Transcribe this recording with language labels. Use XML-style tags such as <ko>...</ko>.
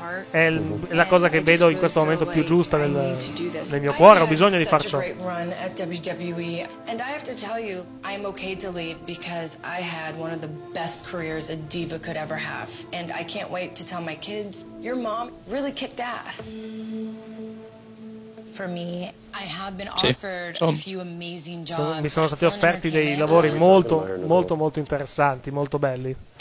<it>È la cosa che vedo in questo momento più giusta nel mio cuore, ho bisogno di far ciò.</it> <en>And I have to tell you, I'm okay to leave because I had one of the best careers a diva could ever have and I can't wait to tell my kids, your mom really kicked ass. For me, I have been offered a few amazing jobs.</en> <it>Mi sono stati offerti dei lavori molto, molto, molto interessanti, molto belli.</it>